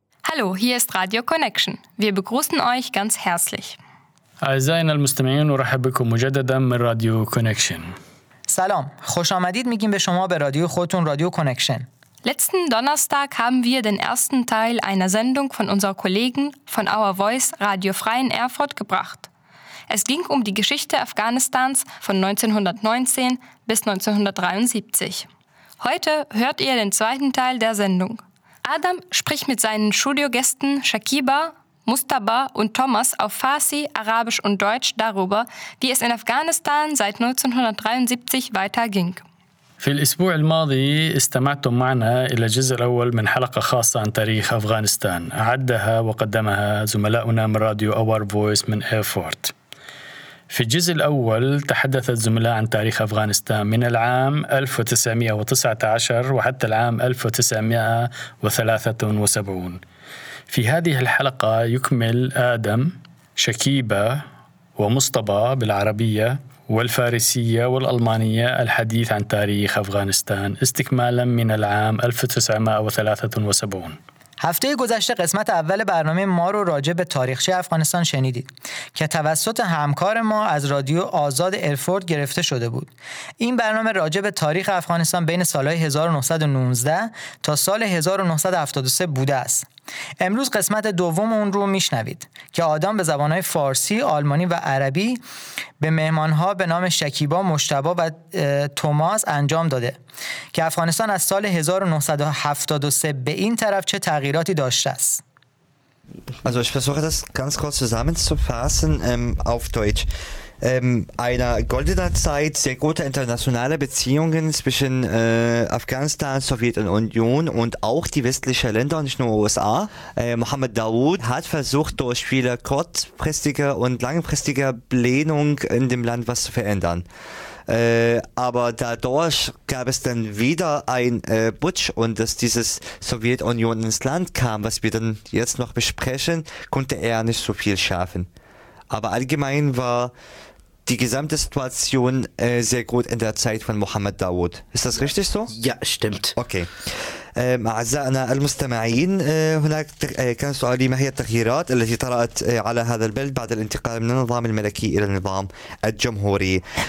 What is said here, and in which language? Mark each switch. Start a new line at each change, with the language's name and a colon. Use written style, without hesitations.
German: Hallo, hier ist Radio Connection. Wir begrüßen euch ganz herzlich.
Arabic: أعزائنا المستمعين ورحب بكم مجددا من راديو كونكشن.
Persian: سلام، خوش آمدید میگیم به شما به رادیو خودتون رادیو کونکشن.
German: Letzten Donnerstag haben wir den ersten Teil einer Sendung von unserer Kollegen von Our Voice Radio Freien Erfurt gebracht. Es ging um die Geschichte Afghanistans von 1919 bis 1973. Heute hört ihr den zweiten Teil der Sendung. Adam spricht mit seinen Studiogästen Shakiba, Mustaba und Thomas auf Farsi, Arabisch und Deutsch darüber, wie es in Afghanistan seit 1973 weiterging.
Arabic: في الأسبوع الماضي استمعتم معنا إلى الجزء الأول من حلقة خاصة عن تاريخ أفغانستان أعدها وقدمها زملاؤنا من راديو Our Voice من إيرفورت. في الجزء الأول تحدث الزملاء عن تاريخ أفغانستان من العام 1919 وحتى العام 1973. في هذه الحلقة يكمل آدم شكيبة ومصطبة بالعربية والفارسية والألمانية الحديث عن تاريخ أفغانستان استكمالا من العام 1973.
Persian: هفته گذشته قسمت اول برنامه ما رو راجع به تاریخچه افغانستان شنیدید که توسط همکار ما از رادیو آزاد ایرفورت گرفته شده بود. این برنامه راجع به تاریخ افغانستان بین سالهای 1919 تا سال 1973 بوده است. امروز قسمت دوم اون رو میشنوید که آدم به زبانهای فارسی، آلمانی و عربی به مهمانها به نام شکیبا، مشتبا و توماس انجام داده که افغانستان از سال 1973 به این طرف چه تغییراتی داشته است.
German: Also ich versuche das ganz kurz zusammenzufassen auf Deutsch. Einer goldener Zeit, sehr gute internationale Beziehungen zwischen Afghanistan, Sowjetunion und auch die westlichen Länder, nicht nur USA. Mohammed Daoud hat versucht, durch viele kurzfristige und langfristige Blähungen in dem Land was zu verändern. Aber dadurch gab es dann wieder ein Putsch und dass dieses Sowjetunion ins Land kam, was wir dann jetzt noch besprechen, konnte er nicht so viel schaffen. Aber allgemein war die gesamte Situation sehr gut in der Zeit von Mohammed Daoud. Ist das richtig so? Ja, stimmt. Okay.
Arabic: أعزائنا المستمعين هناك كان سؤالي ما هي التغييرات التي طرأت على هذا البلد بعد الانتقال من النظام الملكي إلى النظام الجمهوري.